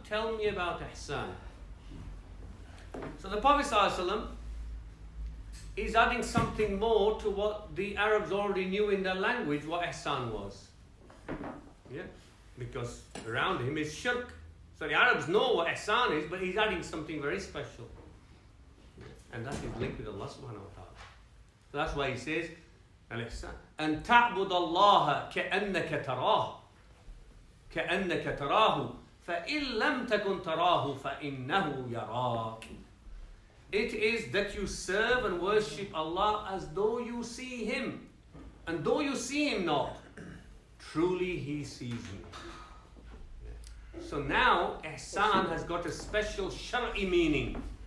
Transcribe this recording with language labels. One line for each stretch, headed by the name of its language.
English: Tell me about ihsan. So the Prophet sallallahu alaihi wasallam is adding something more to what the Arabs already knew in their language, what ihsan was. Yeah? Because around him is shirk. So the Arabs know what ihsan is, but he's adding something very special. And that is linked with Allah subhanahu wa ta'ala. So that's why he says,
Arabic: أن تعبد الله كأنك تراه كأنك تراه فإن لم تكن تراه فإنه يراك.
English: It is that you serve and worship Allah as though you see Him, and though you see Him not, truly He sees you. So now ihsan has got a special shar'i meaning.